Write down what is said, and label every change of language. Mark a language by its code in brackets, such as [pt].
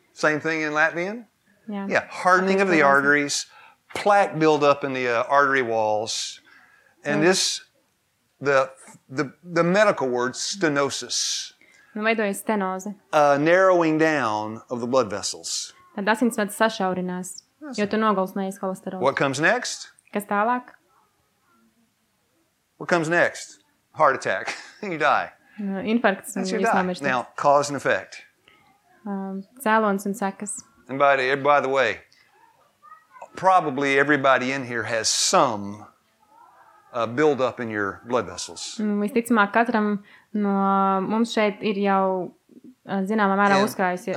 [en] Same thing in Latvian? Yeah. Yeah, hardening of the arteries, plaque buildup in the artery walls, and this, the medical word, stenosis. [lv] Veidojas stenoze. [en] Narrowing down of the blood vessels. [lv] Tad asinsvads sašaurinās, jo tu nogalsnējies holesterolu. [en] What comes next? [lv] Kas tālāk? [en] What comes next? Heart attack. You die. [lv] Infarkts. [en] That's your die. Now, cause and effect. [lv] Cēlons un sekas. [en] And by the way, probably everybody in here has some build up in your blood vessels. [lv] Visticamāk, katram no mums šeit ir jau zināmā mērā uzkrājusies.